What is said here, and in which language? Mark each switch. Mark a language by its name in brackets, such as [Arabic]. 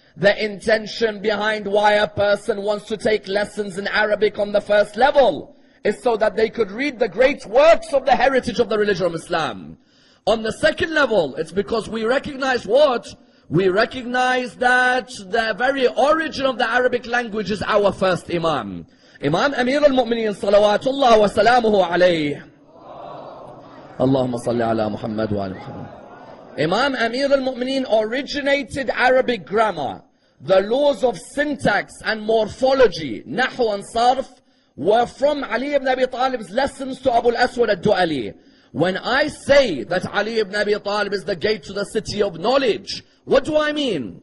[English] The intention behind why a person wants to take lessons in Arabic on the first level is so that they could read the great works of the heritage of the religion of Islam. On the second level, it's because we recognize what? We recognize that the very origin of the Arabic language is our first imam. [Arabic] إمام أمير المؤمنين صلوات الله وسلامه عليه، اللهم صل على محمد وآل محمد. [English] Imam Amir al-Mu'mineen originated Arabic grammar. The laws of syntax and morphology, nahw and sarf, were from Ali ibn Abi Talib's lessons to Abu al-Aswad al-Du'ali. When I say that Ali ibn Abi Talib is the gate to the city of knowledge, what do I mean?